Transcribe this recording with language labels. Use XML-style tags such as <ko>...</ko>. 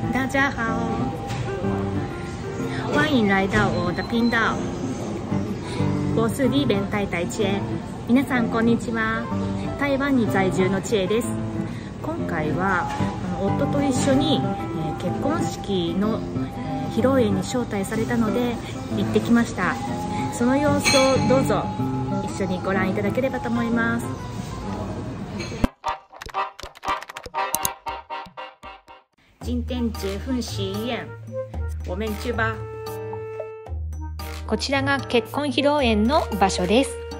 <zh>家好，欢迎来到我的频道。我是李边台台姐，</zh> <ja>皆さんこんにちは。台湾に在住の千恵です。今回は夫と一緒に結婚式の披露宴に招待されたので行ってきました。その様子をどうぞ一緒にご覧いただければと思います。</ja> <zh>今天结婚喜宴，我们去吧。</zh> <ja>こちらが結婚披露宴の場所です。</ja>